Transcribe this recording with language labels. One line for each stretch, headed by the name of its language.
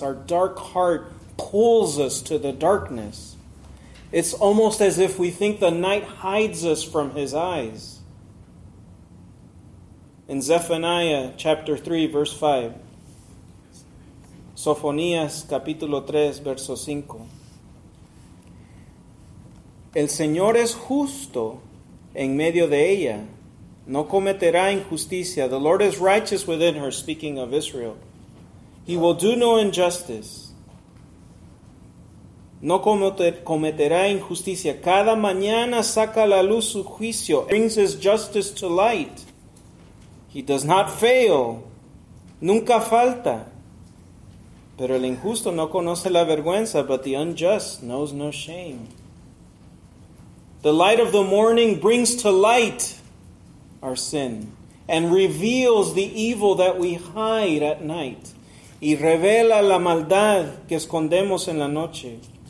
English: Our dark heart pulls us to the darkness. It's almost as if we think the night hides us from his eyes. In Zephaniah chapter 3, verse 5.
Spanish: Sofonías capítulo 3, verso 5. El Señor es justo en medio de ella. No cometerá injusticia.
English: The Lord is righteous within her, speaking of Israel. He will do no injustice.
Spanish: No cometerá injusticia. Cada mañana saca la luz su juicio.
English: Brings his justice to light. He does not fail.
Spanish: Nunca falta. Pero el injusto no conoce la vergüenza,
English: but the unjust knows no shame. The light of the morning brings to light our sin, and reveals the evil that we hide at night.
Spanish: Y revela la maldad que escondemos en la noche.